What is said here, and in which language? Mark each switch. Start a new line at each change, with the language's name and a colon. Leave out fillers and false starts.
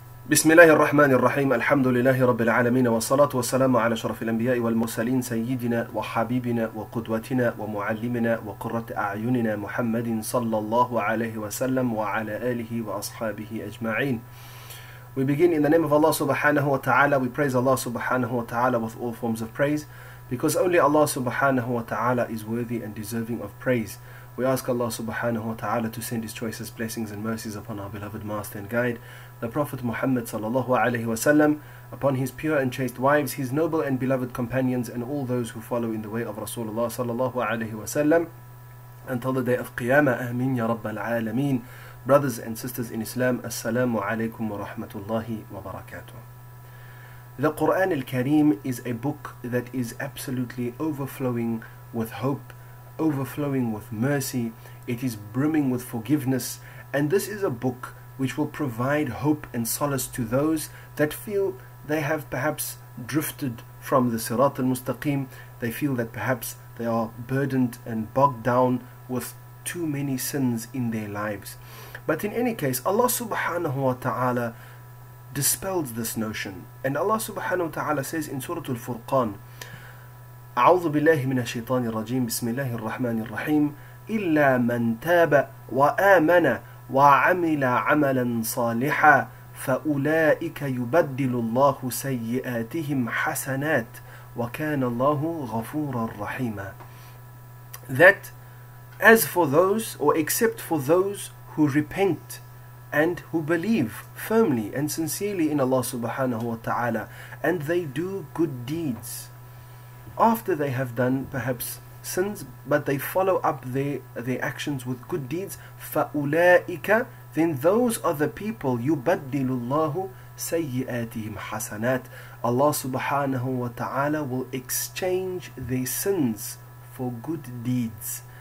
Arabic: بسم الله الرحمن الرحيم الحمد لله رب العالمين والصلاة والسلام على شرف الأنبياء والمرسلين سيدنا وحبيبنا وقدوتنا ومعلمنا وقرة أعيننا محمد صلى الله عليه وسلم وعلى آله وأصحابه أجمعين.
English: We begin in the name of Allah subhanahu wa ta'ala. We praise Allah subhanahu wa ta'ala with all forms of praise, because only Allah subhanahu wa ta'ala is worthy and deserving of praise. We ask Allah subhanahu wa ta'ala to send His choicest blessings and mercies upon our beloved master and guide, the Prophet Muhammad sallallahu alaihi wasallam, upon his pure and chaste wives, his noble and beloved companions, and all those who follow in the way of Rasulullah sallallahu alaihi wasallam until the day of Qiyamah. Amin ya Rabbal Alameen. Brothers and sisters in Islam, Assalamu alaikum wa rahmatullahi wa barakatuh. The Quran al-Kareem is a book that is absolutely overflowing with hope, overflowing with mercy. It is brimming with forgiveness, and this is a book which will provide hope and solace to those that feel they have perhaps drifted from the Sirat al-Mustaqim. They feel that perhaps they are burdened and bogged down with too many sins in their lives. But in any case, Allah subhanahu wa ta'ala dispels this notion. And Allah subhanahu wa ta'ala says in Surah Furqan,
Arabic: أعوذ بالله من الشيطان الرجيم بسم الله الرحمن الرحيم إلا من تاب وآمن وعمل عملا صالحا فأولئك يبدل الله سيئاتهم حسنات وكان الله غفورا رحيما.
English: That as for those, or except for those who repent and who believe firmly and sincerely in Allah subhanahu wa ta'ala, and they do good deeds after they have done perhaps sins, but they follow up their actions with good deeds,
Arabic: فَأُولَٰئِكَ,
English: then those are the people,
Arabic: يُبَدِّلُ اللَّهُ سَيِّئَاتِهِمْ حَسَنَاتِ,
English: Allah subhanahu wa ta'ala will exchange their sins for good deeds.